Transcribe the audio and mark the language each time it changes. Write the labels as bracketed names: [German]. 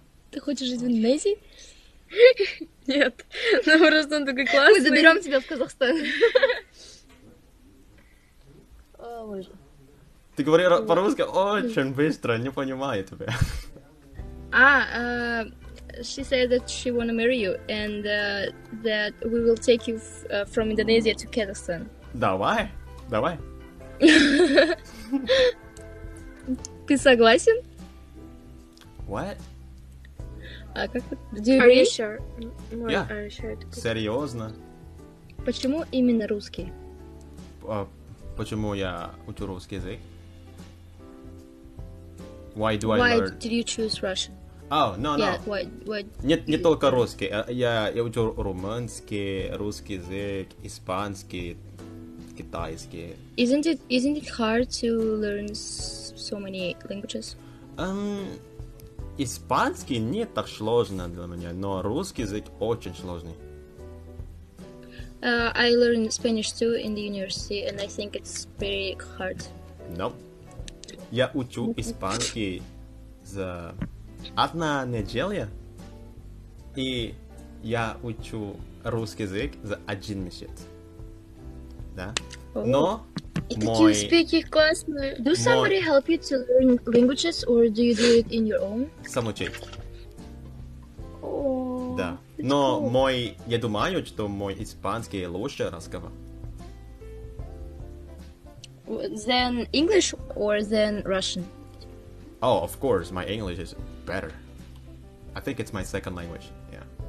[Russian] Ты хочешь жить в Индонезии? Нет, ну просто он такой классный. Мы заберем тебя в Казахстан. О, боже. Ты говоришь по-русски очень быстро, не понимаю тебя. [English] А, she said that she wanna marry you and that we will take you from Indonesia to Kazakhstan. [Russian] Давай, давай. Ты согласен? [English] What? [Russian] А как ты? [English] Are you sure? Yeah. Are you sure? [Russian] Серьезно? Почему именно русский? Почему я учу русский язык? [English] Why do why I learn? Why did you choose Russian? Oh, no, yeah, no. Why [Russian] нет, не только русский. Я учу румынский, русский язык, испанский, китайский. [English] Isn't it hard to learn so many languages? [Russian] Испанский не так сложно для меня, но русский язык очень сложный. [English] I learned Spanish too in the university, and I think it's very hard. No. Nope. [Russian] Я учу испанский за одна неделя, и я учу русский язык за один месяц. Да? [English] Oh. [Russian] Но... [English] Did you speak it [Russian] классно? [English] Do somebody help you to learn languages, or do you do it in your own? [Russian] Сам учить. [English] Oh, [Russian] да. Но [English] cool. [Russian] Мой, я думаю, что мой испанский лучше разговор. [English] Than English or than Russian? Oh, of course, my English is better. I think it's my second language. Yeah.